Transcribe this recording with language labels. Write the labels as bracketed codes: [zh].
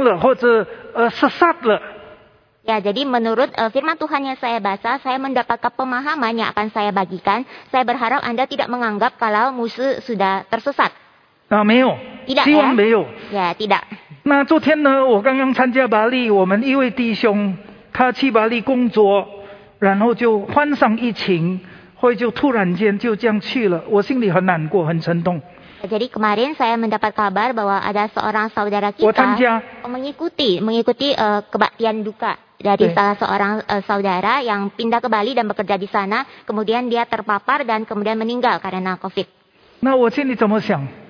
[zh] 主给我们，给我这样的明白，我这样说说，希望你不是说牧师已经走样了，或者失散了。 [id] Ya, jadi menurut firman Tuhan yang saya baca, saya mendapatkan pemahaman yang akan saya bagikan. Saya berharap Anda tidak menganggap kalau musuh sudah tersesat. [zh] 啊，没有。 [id] Tidak. [zh] 希望没有。 [id] Ya, tidak. [zh] 那昨天呢，我刚刚参加巴黎，我们一位弟兄，他去巴黎工作。然后就患上疫情，会就突然间就这样去了，我心里很难过，很沉痛。 [id] Jadi kemarin saya mendapat kabar bahwa ada seorang saudara kita mengikuti kebaktian duka dari salah seorang saudara yang pindah ke Bali dan bekerja di sana, kemudian dia terpapar dan kemudian meninggal karena COVID. [zh] 那我心里怎么想？